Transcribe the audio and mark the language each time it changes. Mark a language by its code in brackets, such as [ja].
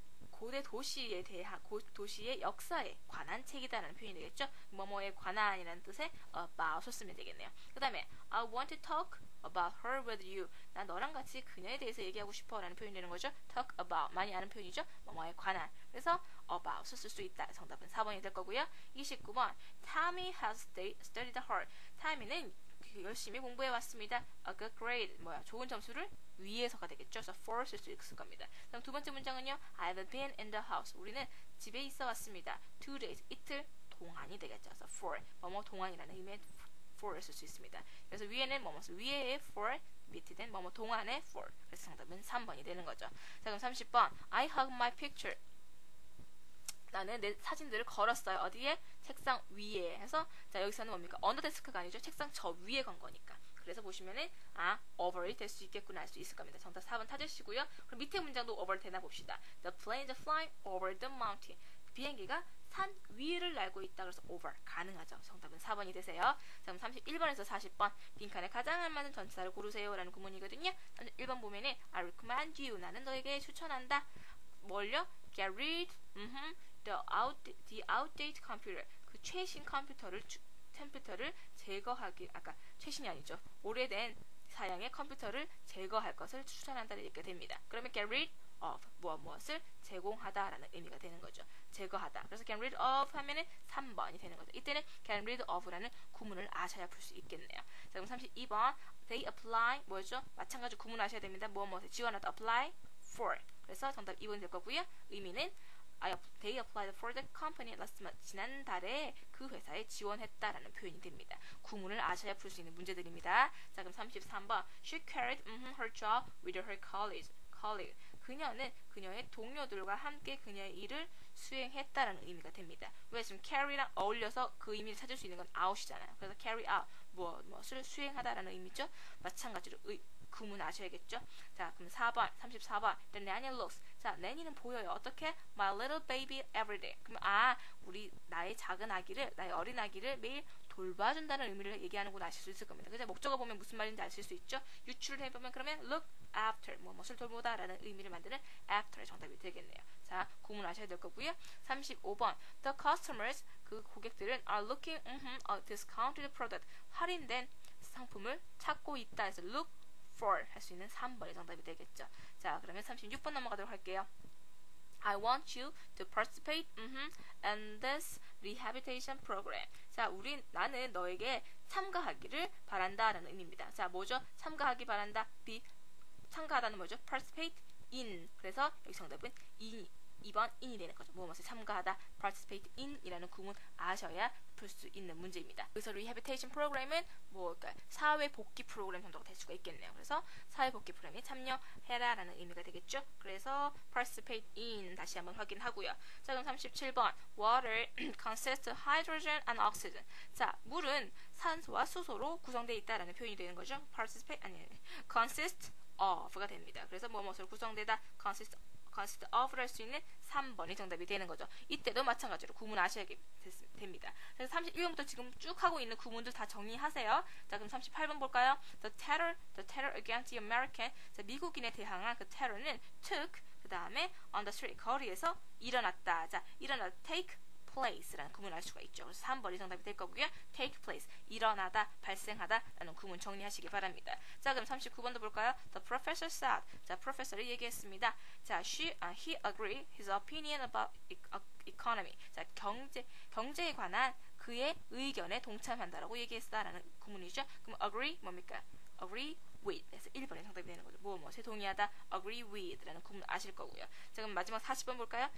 [ko] 고대 도시에 대한 도시의 역사에 관한 책이다라는 표현이 되겠죠. 뭐뭐에 관한이라는 뜻의 about을 쓰면 되겠네요. [en] 그 다음에 I want to talk about her with you. [ko] 난 너랑 같이 그녀에 대해서 얘기하고 싶어 라는 표현이 되는 거죠. talk about 많이 아는 표현이죠. 뭐뭐에 관한. 그래서 about을 쓸 수 있다. 정답은 4번이 될 거고요. [en] 29번 Tammy has studied hard. [ko] Tammy는 열심히 공부해 왔습니다. [en] A good grade. [ko] 뭐야? 좋은 점수를 위에서가 되겠죠. So for 쓸 수 있을 겁니다. 그럼 두 번째 문장은요. [en] I've been in the house. [ko] 우리는 집에 있어 왔습니다. [en] 2 days. [ko] 이틀 동안이 되겠죠. So for 뭐뭐 동안이라는 의미의 for를 쓸 수 있습니다. 그래서 위에는 뭐뭐 위에의 for, 밑에는 뭐뭐 동안의 for. 그래서 정답은 3번이 되는 거죠. 자, 그럼 30번. [en] I hug my picture. [ko] 나는 내 사진들을 걸었어요. 어디에? 책상 위에. 해서 자, 여기서는 뭡니까? 언더데스크가 아니죠. 책상 저 위에 건 거니까. 그래서 보시면은 아, over 될 수 있겠구나 할 수 있을 겁니다. 정답 4번 찾으시고요. 그럼 밑에 문장도 over 되나 봅시다. [en] The plane is flying over the mountain. [ko] 비행기가 산 위를 날고 있다. 그래서 over 가능하죠. 정답은 4번이 되세요. 자, 그럼 31번에서 40번 빈칸에 가장 알맞은 전치사를 고르세요 라는 구문이거든요. 1번 보면은 [en] I recommend you. [ko] 나는 너에게 추천한다. 뭘요? [en] Get rid the outdated computer. [ko] 그 최신 컴퓨터를 제거하기, 아까 최신이 아니죠. 오래된 사양의 컴퓨터를 제거할 것을 추천한다 이렇게 됩니다. 그러면 get rid of 무엇을 제공하다라는 의미가 되는 거죠. 제거하다. 그래서 get rid of 하면은 3번이 되는 거죠. 이때는 get rid of라는 구문을 아셔야 풀 수 있겠네요. 자, 그럼 32번 they apply 뭐죠? 마찬가지 구문 아셔야 됩니다. 무엇을 지원하다 apply for. 그래서 정답 2번이 될 거고요. 의미는 [en] they applied for the company last month. [ko] 지난달에 그 회사에 지원했다라는 표현이 됩니다. 구문을 아셔야 풀 수 있는 문제들입니다. 자, 그럼 33번. [en] She carried her job with her colleague. [ko] 그녀는 그녀의 동료들과 함께 그녀의 일을 수행했다라는 의미가 됩니다. 왜? 지금 carry랑 어울려서 그 의미를 찾을 수 있는 건 out이잖아요. 그래서 carry out, 무엇을 수행하다라는 의미죠. 마찬가지로 구문 아셔야겠죠? 자, 그럼 4번, 34번. [en] The nanny looks. [ko] 자, 내니는 보여요. 어떻게? [en] My little baby every day. [ko] 그럼 아, 우리 나의 작은 아기를, 나의 어린 아기를 매일 돌봐준다는 의미를 얘기하는 건 아실 수 있을 겁니다. 그래서 목적어 보면 무슨 말인지 아실 수 있죠? 유출을 해보면 그러면 look after, 무엇을 돌보다라는 의미를 만드는 after의 정답이 되겠네요. 자, 구문 아셔야 될 거고요. 35번. [en] The customers, [ko] 그 고객들은 [en] are looking a discounted product. [ko] 할인된 상품을 찾고 있다 해서 look for 할 수 있는 3번이 정답이 되겠죠. 자, 그러면 36번 넘어가도록 할게요. [en] I want you to participate in this rehabilitation program. [ko] 자, 나는 너에게 참가하기를 바란다 라는 의미입니다. 자, 뭐죠? 참가하기 바란다. 참가하다는 뭐죠? [en] participate in. [ko] 그래서 여기 정답은 2번 in이 되는 거죠. 무엇에 참가하다. participate in 이라는 구문 아셔야 풀 수 있는 문제입니다. 그래서 rehabilitation program은 사회복귀 프로그램 정도가 될 수가 있겠네요. 그래서 사회복귀 프로그램에 참여해라 라는 의미가 되겠죠. 그래서 participate in 다시 한번 확인하고요. 자, 그럼 37번 [en] water consists of hydrogen and oxygen. [ko] 자, 물은 산소와 수소로 구성되어 있다 라는 표현이 되는 거죠. consist of가 됩니다. 그래서 무엇으로 구성되다 consist of를 할 수 있는 3번이 정답이 되는 거죠. 이때도 마찬가지로 구문 아셔야 됩니다. 31번부터 지금 쭉 하고 있는 구문들 다 정리하세요. 자, 그럼 38번 볼까요? [en] The terror against the American. [ko] 자, 미국인에 대항한 그 terror는 took 그 다음에 on the street 거리에서 일어났다. 자, 일어났다 take place라는 구문을 알 수가 있죠. 그래서 3번이 정답이 될 거고요. take place 일어나다 발생하다라는 구문 정리하시기 바랍니다. 자, 그럼 39번도 볼까요? [en] The professor said. [ko] 자, 프로페서가 얘기했습니다. [en] 자, he agreed his opinion about economy. [ko] 자, 경제에 관한 그의 의견에 동참한다라고 얘기했다라는 구문이죠. 그럼 agree 뭡니까? [en] agree with. [ko] 그래서 1번이 정답이 되는 거죠. 무엇에 동의하다. agree with라는 구문 아실 거고요. 자, 그럼 마지막 40번 볼까요?